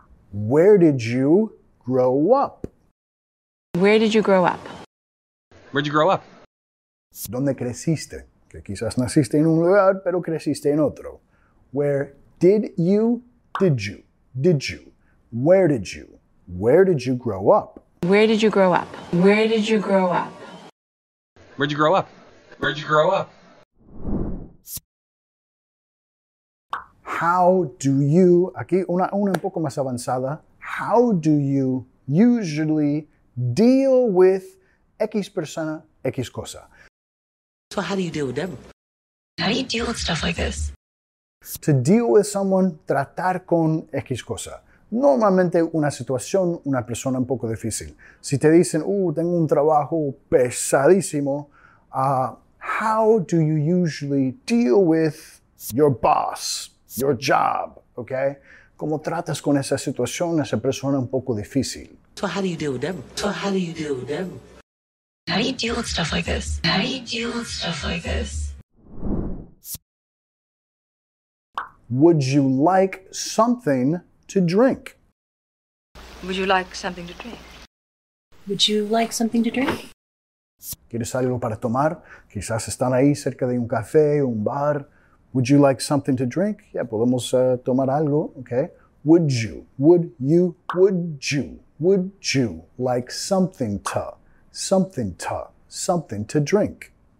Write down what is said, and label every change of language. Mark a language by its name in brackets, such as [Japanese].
[English] Where did you grow up? Where did you grow up? Where'd you grow up? [Spanish] ¿Dónde creciste? Que quizás naciste en un lugar, pero creciste en otro. [English] Where did you, did you, did you? Where did you, where did you grow up? Where did you grow up? Where did you grow up? Where'd you grow up? Where'd you grow up? How do you, [Spanish] aquí una un poco más avanzada, [English] how do you usually deal with [Spanish] X persona, X cosa? [English] So how do you deal with them? How do you deal with stuff like this? To deal with someone, [Spanish] tratar con X cosa. Normalmente una situación, una persona un poco difícil. Si te dicen, tengo un trabajo pesadísimo, [English] how do you usually deal with your boss, your job, okay? [Spanish] ¿Cómo tratas con esa situación, esa persona un poco difícil? [English] So how do you deal with them? So how do you deal with them? How do you deal with stuff like this? How do you deal with stuff like this? Would you like something to drink? Would you like something to drink? Would you like something to drink? [Spanish] ¿Quieres algo para tomar? Quizás están ahí cerca de un café, un bar. [English] Would you like something to drink? Yeah, [Spanish] podemos tomar algo, [English] okay? Would you like something to, something to, something to drink?